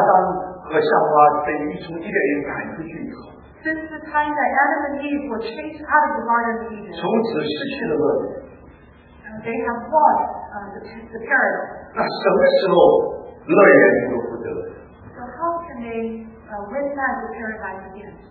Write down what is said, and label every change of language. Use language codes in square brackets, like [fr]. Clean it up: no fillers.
[zh] 自从伊甸园，自从亚当和夏娃被从伊甸园赶出去以后， [en] since the time that Adam and Eve were chased out of the Garden of Eden, [zh] 从此失去了乐园。 [en] They have lost the paradise. [zh] 那什么时候乐园又复得？ [en] So how can they win back the paradise again?